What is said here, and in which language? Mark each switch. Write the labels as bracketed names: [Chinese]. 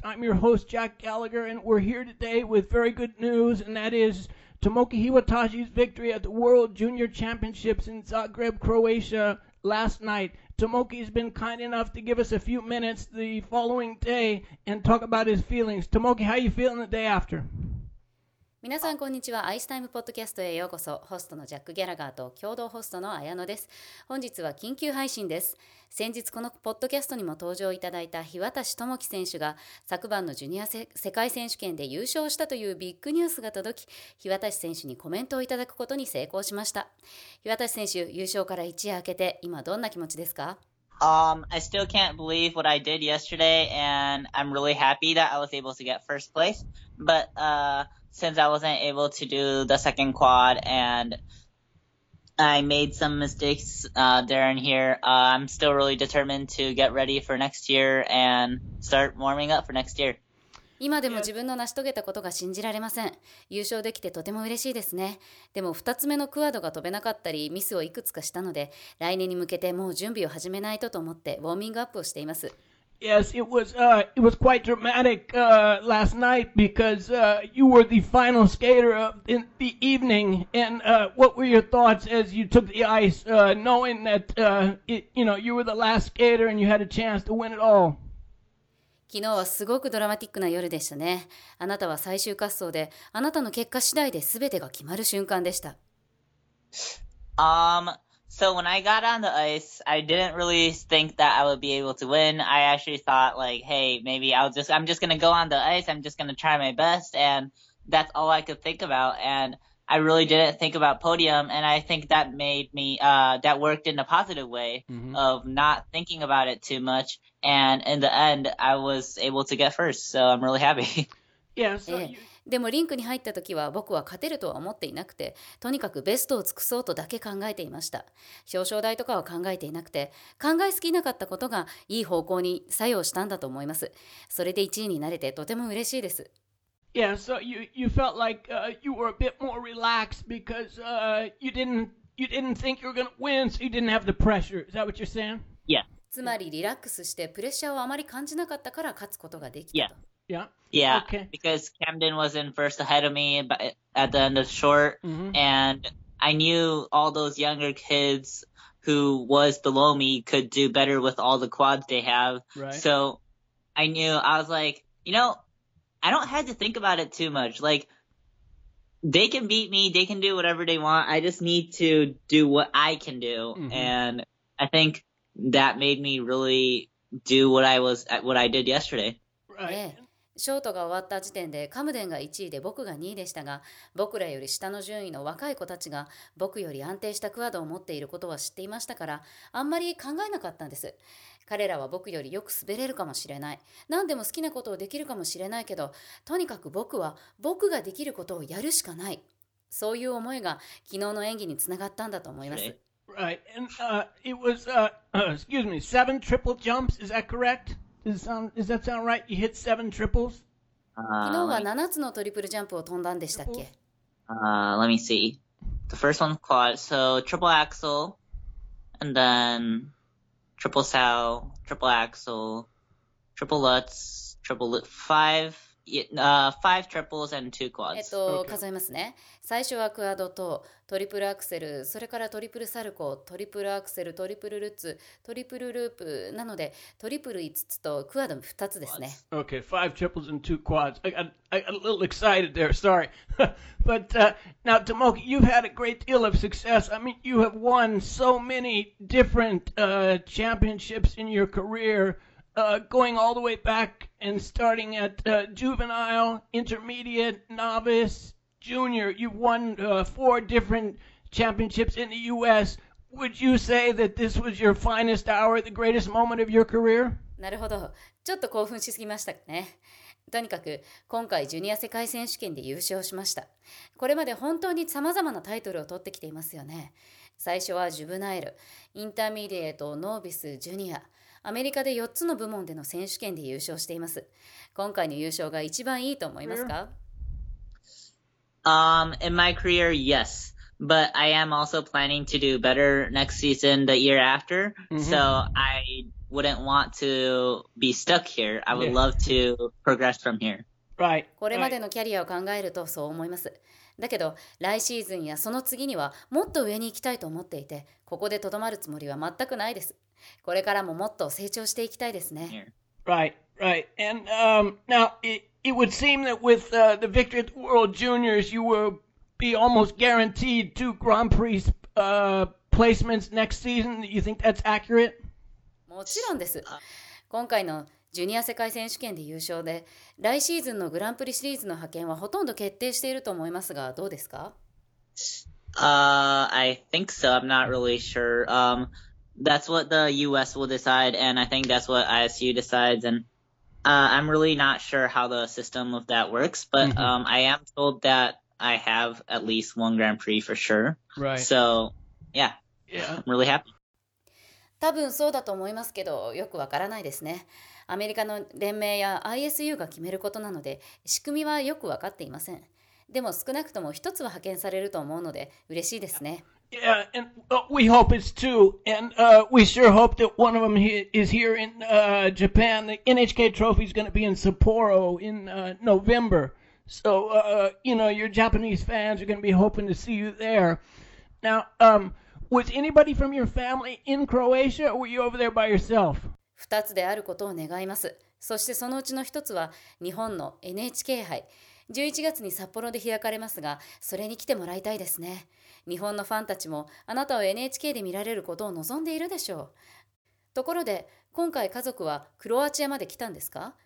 [English] I'm your host, Jack Gallagher, and we're here today with very good news, and that is Tomoki Iwatashi's victory at the World Junior Championships in Zagreb, Croatia last night. Tomoki's been kind enough to give us a few minutes the following day and talk about his feelings. Tomoki, how are you feeling the day after? [Japanese] 皆さんこんにちは。アイスタイムポッドキャストへようこそ。ホストのジャック・ギャラガーと共同ホストの綾乃です。本日は緊急配信です。先日このポッドキャストにも登場いただいた日渡智樹選手が昨晩のジュニア世界選手権で優勝したというビッグニュースが届き、日渡選手にコメントをいただくことに成功しました。日渡選手、優勝から一夜明けて今どんな気持ちですか？ [English] I still can't believe what I did yesterday, and I'm really happy that I was able to get first place. But, since I wasn't able to do the second quad and I made some mistakes there and here, I'm still really determined to get ready for next year and start warming up for next year. [Japanese] 今でも自分の成し遂げたことが信じられません。優勝できてとても嬉しいですね。でも2つ目のクワードが飛べなかったりミスをいくつかしたので、来年に向けてもう準備を始めないとと思ってウォーミングアップをしています。 [English] Yes, it was quite dramatic last night because you were the final skater of the evening. And what were your thoughts as you took the ice, knowing that you were the last skater and you had a chance to win it all? [Japanese] 昨日はすごくドラマティックな夜でしたね。あなたは最終滑走で、あなたの結果次第で全てが決まる瞬間でした。 [English] So when I got on the ice, I didn't really think that I would be able to win. I actually thought like, hey, maybe I'm just gonna go on the ice. I'm just gonna try my best, and that's all I could think about. And I really didn't think about podium. And I think that made me that worked in a positive way of not thinking about it too much. And in the end, I was able to get first. So I'm really happy. Yes. [Japanese] でもリンクに入った時は僕は勝てるとは思っていなくて、とにかくベストを尽くそうとだけ考えていました。表彰台とかは考えていなくて、考えすぎなかったことがいい方向に作用したんだと思います。それで1位になれてとても嬉しいです。 [English] Yeah, so you felt like you were a bit more relaxed because you didn't think you were gonna win, so you didn't have the pressure. Is that what you're saying? Yeah. [Japanese] つまりリラックスしてプレッシャーをあまり感じなかったから勝つことができたと。 [English] Yeah, okay. Because Camden was in first ahead of me at the end of short, and I knew all those younger kids who was below me could do better with all the quads they have. Right. So I knew, I was like, you know, I don't have to think about it too much. Like, they can beat me, they can do whatever they want, I just need to do what I can do. Mm-hmm. And I think that made me really do what I did yesterday. Right. [Japanese] ショートが終わった時点でカムデンが1位で僕が2位でしたが、僕らより下の順位の若い子たちが僕より安定したクワードを持っていることは知っていましたから、あんまり考えなかったんです。彼らは僕よりよく滑れるかもしれない、何でも好きなことをできるかもしれないけど、とにかく僕は僕ができることをやるしかない、そういう思いが昨日の演技につながったんだと思います。 [English] Right. And, it was, excuse me, 7 triple jumps, is that correct? Does that sound right? You hit 7 triples? [Japanese] 昨日は7つのトリプルジャンプを飛んだんでしたっけ? [English] Let me see. The first one, quad. So, triple axel. And then, triple sal, triple axel, triple lutz, triple lutz, five triples and two quads. [Japanese] 数えますね。最初はクワドとトリプルアクセル、それからトリプルサルコ、トリプルアクセル、トリプルルッツ、トリプルループ、なのでトリプル5つとクワド2つですね。 [English] Okay, five triples and two quads. I got a little excited there, sorry. But now, Tomoki, you've had a great deal of success. I mean, you have won so many different championships in your career. Going all the way back and starting at juvenile, intermediate, novice, junior, you've won four different championships in the U.S. Would you say that this was your finest hour, the greatest moment of your career? [Japanese] なるほど。ちょっと興奮しすぎましたね。とにかく今回ジュニア世界選手権で優勝しました。これまで本当に様々なタイトルを取ってきていますよね。最初はジュブナイル、インターミディエート、ノービス、ジュニア。アメリカで4つの部門での選手権で優勝しています。今回の優勝が一番いいと思いますか? [English] In my career, yes. But I am also planning to do better next season, the year after. Mm-hmm. So I wouldn't want to be stuck here. I would love to progress from here. Right. [Japanese] これまでのキャリアを考えるとそう思います。だけど、来シーズンやその次にはもっと上に行きたいと思っていて、ここでとどまるつもりは全くないです。これからももっと成長していきたいですね。 [English] Right, right. And now, it would seem that with the victory at the World Juniors, you will be almost guaranteed two Grand Prix placements next season. You think that's accurate? [Japanese] もちろんです。今回のジュニア世界選手権で優勝で、来シーズンのグランプリシリーズの派遣はほとんど決定していると思いますが、どうですか？ [English] I think so. I'm not really sure. That's what the US will decide, and I think that's what ISU decides. And I'm really not sure how the system of that works, but I am told that I have at least one Grand Prix for sure. Right. So, yeah. Yeah. I'm really happy. [Japanese] 多分そうだと思いますけど、よくわからないですね。アメリカの連盟や ISU が決めることなので、仕組みはよくわかっていません。でも少なくとも一つは派遣されると思うので、嬉しいですね。 [English] Yeah, and we hope it's two. And we sure hope that one of them is here in Japan. The NHK trophy is going to be in Sapporo in November. So, you know, your Japanese fans are going to be hoping to see you there. Now, was anybody from your family in Croatia, or were you over there by yourself? [Japanese] 2つであることを願います。そしてそのうちの1つは日本の NHK 杯。 11月に札幌で開かれますが、それに来てもらいたいですね。日本のファンたちもあなたを NHK で見られることを望んでいるでしょう。ところで、今回家族はクロアチアまで来たんですか？